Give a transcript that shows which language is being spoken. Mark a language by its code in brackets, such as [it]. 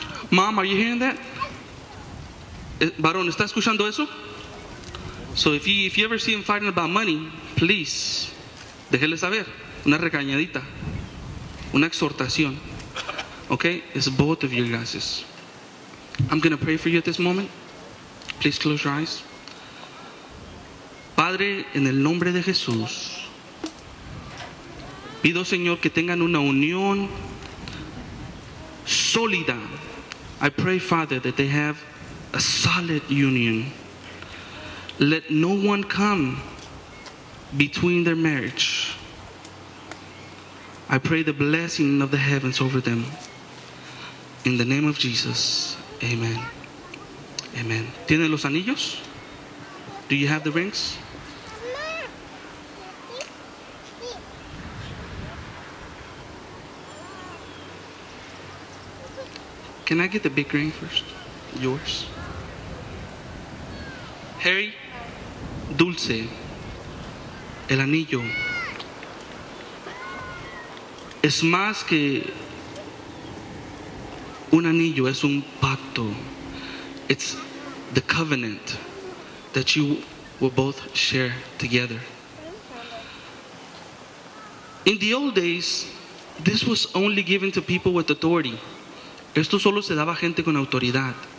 [en] Mom, are you hearing that? [es] Barón, ¿está escuchando eso? [en] So if you ever see him fighting about money, please, [es] déjele saber. Una regañadita. Una exhortación. Okay? [en] It's both of your glasses. I'm going to pray for you at this moment. Please close your eyes. [es] Padre, en el nombre de Jesús, pido, Señor, que tengan una unión sólida. [en] I pray, Father, that they have a solid union. Let no one come between their marriage. I pray the blessing of the heavens over them. In the name of Jesus. Amen. Amen. [es] ¿Tienen los anillos? [en] Do you have the rings? Can I get the big ring first? Yours. [es] Harry, Dulce, el anillo. Es más que un anillo, es un pacto. [en] It's the covenant that you will both share together. In the old days, this was only given to people with authority. [es] Esto solo se daba a gente con autoridad.